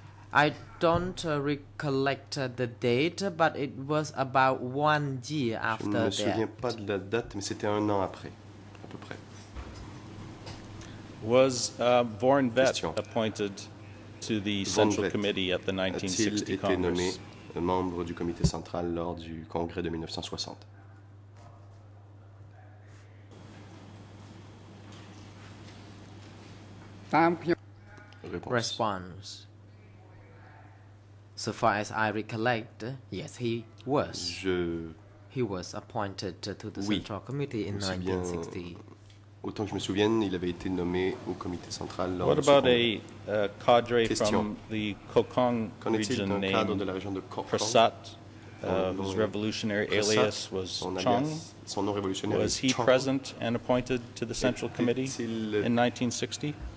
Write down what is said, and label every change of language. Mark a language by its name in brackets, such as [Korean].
[English] I don't recollect the date, but it was about 1 year after that. [French] Je ne me souviens pas de la date, mais c'était un an après, à peu près. [English] Was Vorn Vett appointed to the Central Committee at the 1960 Congress? [French] A-t-il été nommé membre du comité central lors du congrès de 1960? [English] Response. So far as I recollect, yes, he was. He was appointed to the Central Committee in 1960. [French] Autant que je me souvienne, il avait été nommé au comité central lors [English] What about a cadre from the Kokang region named Prasat, whose revolutionary alias was Chong? [French] Son nom révolutionnaire [English] was he [French] Chong. [English] Present and appointed to the Central Committee in 1960?